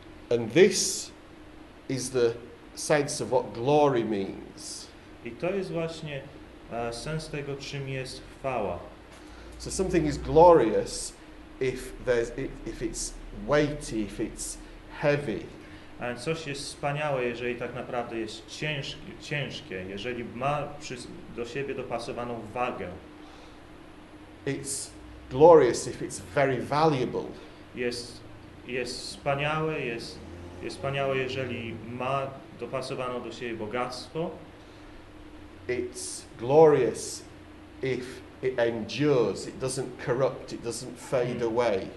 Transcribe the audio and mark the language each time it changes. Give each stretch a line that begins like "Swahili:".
English: And this is the sense of what glory means.
Polish: I to jest właśnie sens tego, czym jest chwała.
English: So something is glorious if it's weighty, if it's heavy.
Polish: A więc coś jest wspaniałe, jeżeli tak naprawdę jest ciężkie, jeżeli ma do siebie dopasowaną wagę.
English: It's glorious if it's very valuable.
Polish: Jest wspaniałe, jeżeli ma dopasowaną do siebie bogactwo.
English: It's glorious if it endures, it doesn't corrupt, it doesn't fade away.